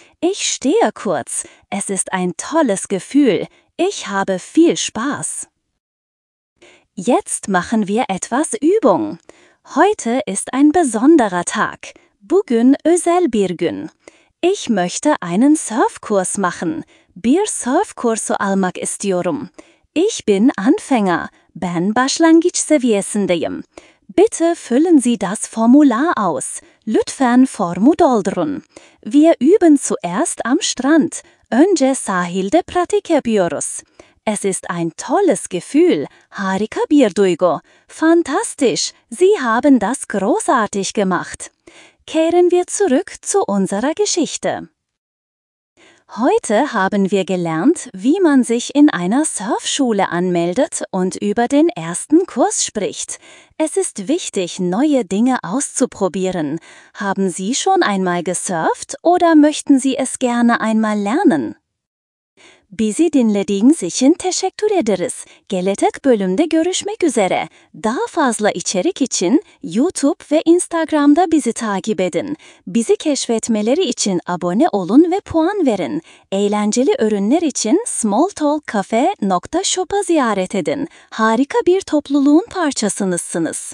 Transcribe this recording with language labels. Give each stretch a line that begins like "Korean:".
German: Ich stehe kurz. Es ist ein tolles Gefühl. Ich habe viel Spaß. Jetzt machen wir etwas Übung. Heute ist ein besonderer Tag.
Turkish: Bugün özel bir gün.
German: Ich möchte einen Surfkurs machen.
Turkish: Bir surfkursu almak istiyorum.
German: Ich bin Anfänger.
Turkish: Ben başlangıç seviyesindeyim.
German: Bitte füllen Sie das Formular aus.
Turkish: Lütfen formu doldurun.
German: Wir üben zuerst am Strand.
Turkish: Önce sahilde pratik yapıyoruz.
German: Es ist ein tolles Gefühl.
Turkish: Harika bir duygu.
German: Fantastisch. Sie haben das großartig gemacht. Kehren wir zurück zu unserer Geschichte. Heute haben wir gelernt, wie man sich in einer Surfschule anmeldet und über den ersten Kurs spricht. Es ist wichtig, neue Dinge auszuprobieren. Haben Sie schon einmal gesurft oder möchten Sie es gerne einmal lernen?
Turkish: Bizi dinlediğiniz için teşekkür ederiz. Gelecek bölümde görüşmek üzere. Daha fazla içerik için YouTube ve Instagram'da bizi takip edin. Bizi keşfetmeleri için abone olun ve puan verin. Eğlenceli ürünler için smalltalkcafe.shop'a ziyaret edin. Harika bir topluluğun parçasınızsınız.